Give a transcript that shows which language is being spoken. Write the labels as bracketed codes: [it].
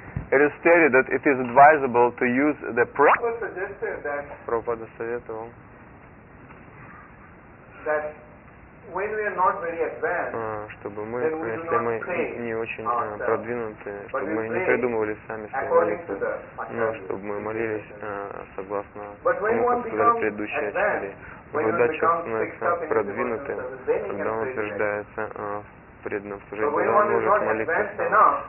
[en] It is stated that it is advisable to use the [ru] Prabhupada советовал, [en] that when we are not very advanced, [ru] чтобы мы, если мы не очень продвинуты, чтобы мы не придумывали сами свои молитвы, но чтобы мы молились согласно тому, как сказали предыдущие ачарьи. Когда человек становится продвинутым, когда он утверждается в преданном служении, он может молиться сам.